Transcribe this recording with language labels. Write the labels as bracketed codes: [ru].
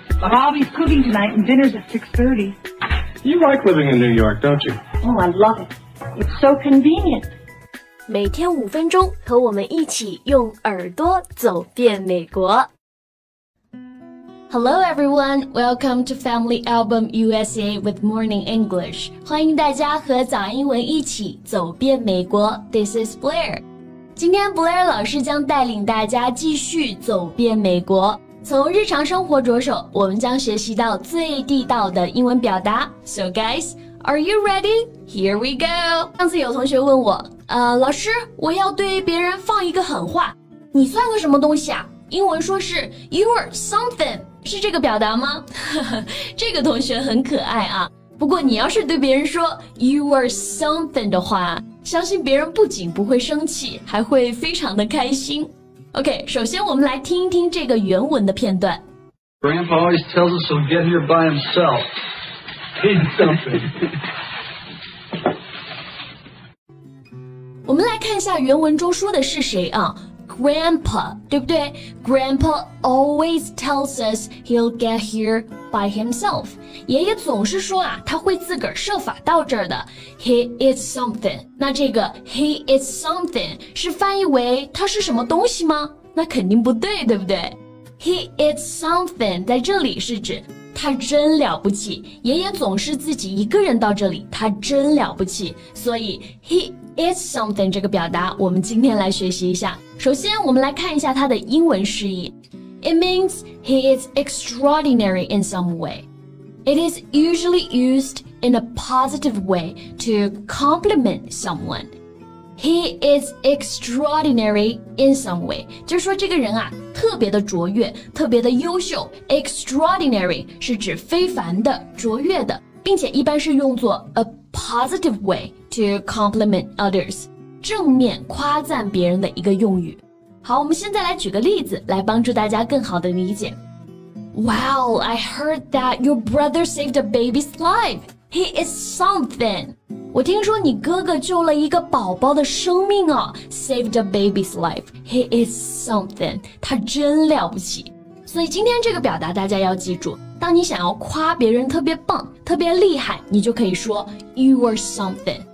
[en] Bobby's cooking tonight and dinner's at 6:30. You like living in New York, don't you? Oh, I love it. It's so convenient. [zh] 每天五分钟，和我们一起用耳朵走遍美国。 [en] Hello everyone, welcome to Family Album USA with Morning English. [zh] 欢迎大家和早英文一起走遍美国。 [en] This is Blair. [zh] 今天 Blair 老师将带领大家继续走遍美国。从日常生活着手，我们将学习到最地道的英文表达。 [en] So guys, are you ready? Here we go. [zh] 上次有同学问我，老师，我要对别人放一个狠话，你算个什么东西啊？英文说是 [en] You're something， [zh] 是这个表达吗？这个同学很可爱啊。不过你要是对别人说 [en] You're something [zh] 的话，相信别人不仅不会生气，还会非常的开心。 OK， 首先我们来听一听这个原文的片段。 [en] Grandpa always tells us he'll get here by himself. He's something. [zh] 我们来看一下原文中说的是谁啊。 [en] Grandpa, [zh] 对不对 [en] ?Grandpa always tells us he'll get here by himself. [zh] 爷爷总是说啊，他会自个儿设法到这儿的。 [en] He is something. [zh] 那这个 [en] he is something [zh] 是翻译为他是什么东西吗？那肯定不对，对不对 ? [en] He is something [zh] 在这里是指他真了不起。爷爷总是自己一个人到这里，他真了不起。所以 [en] he is something [zh] 这个表达我们今天来学习一下。首先我们来看一下它的英文释义。 [en] It means he is extraordinary in some way. It is usually used in a positive way to compliment someone. He is extraordinary in some way. [zh] 就是说这个人啊特别的卓越，特别的优秀。 Extraordinary 是指非凡的，卓越的，并且一般是用作 [en] a positive way to compliment others. [zh] 正面夸赞别人的一个用语。好，我们现在来举个例子，来帮助大家更好的理解。 [en] Wow, I heard that your brother saved a baby's life. He is something. [zh] 我听说你哥哥救了一个宝宝的生命啊。 [en] Saved a baby's life. He is something. [zh] 他真了不起。所以今天这个表达大家要记住，当你想要夸别人特别棒，特别厉害，你就可以说 [en] You are something.